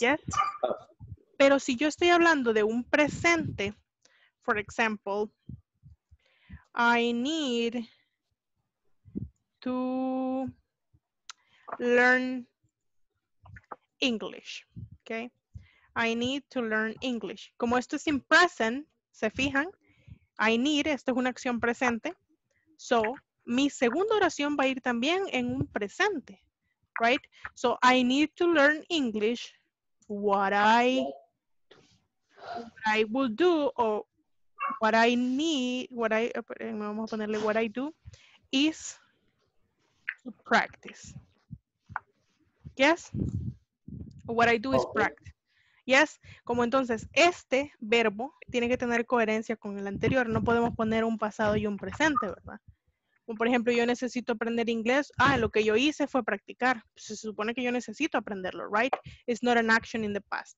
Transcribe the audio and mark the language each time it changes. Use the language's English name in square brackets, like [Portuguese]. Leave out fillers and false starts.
[English] Yes. [Spanish] Pero si yo estoy hablando de un presente, [English] for example, I need to learn English. Okay. I need to learn English. [Spanish] Como esto es [English] in present, [Spanish] ¿se fijan? [English] I need, [Spanish] esto es una acción presente. So, mi segunda oración va a ir también en un presente. [English] Right? So, I need to learn English. What I will do or what I need, what I, [Spanish] vamos a ponerle [English] what I do, is to practice. Yes? What I do is practice. Yes? [Spanish] Como entonces, este verbo tiene que tener coherencia con el anterior. No podemos poner un pasado y un presente, ¿verdad? Como por ejemplo, yo necesito aprender inglés. Ah, lo que yo hice fue practicar. Se supone que yo necesito aprenderlo, [English] right? It's not an action in the past.